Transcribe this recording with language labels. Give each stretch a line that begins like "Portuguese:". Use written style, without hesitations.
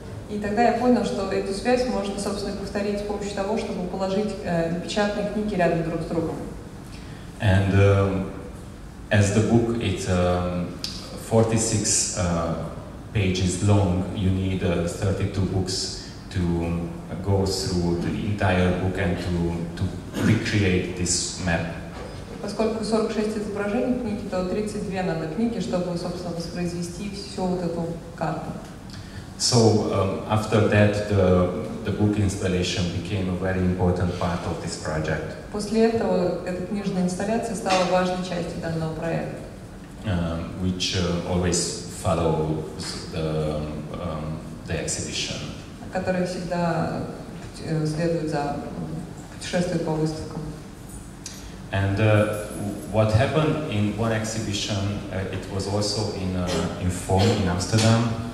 Russian: И тогда я понял, что эту связь можно, собственно, повторить с помощью того, чтобы положить печатные книги рядом друг с другом.
English: And as the book is 46 pages long, you need 32 books to go through the entire book and to recreate this map.
Russian: Поскольку 46 изображений книги, то 32 надо книги, чтобы, собственно, воспроизвести всю вот эту карту.
English: So after that, the book installation became a very important part of this project.
Russian: После этого эта книжная инсталляция стала важной частью данного проекта.
English: Which always follows the exhibition.
Russian: Которая всегда следует за путешествием по выставкам.
English: And what happened in one exhibition, it was also in FOM in Amsterdam.